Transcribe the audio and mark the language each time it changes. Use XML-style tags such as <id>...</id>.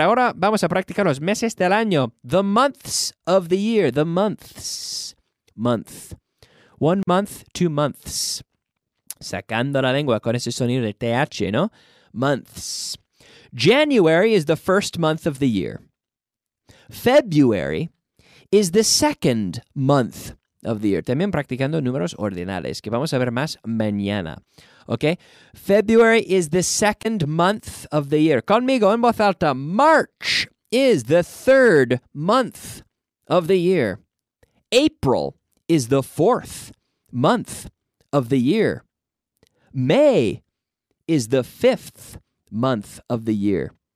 <es>Ahora vamos a practicar los meses del año.</es> <en>The months of the year. The months. Month. 1 month, 2 months.</en> <es>Sacando la lengua con ese sonido de TH, ¿no?</es> <en>Months. January is the first month of the year. February is the second month of the year.</en> <es>También practicando números ordinales, que vamos a ver más mañana.</es> <en>Okay? February is the second month of the year.</en> <es>Conmigo en voz alta.</es> <en>March is the third month of the year. April is the fourth month of the year. May is the fifth month of the year.</en>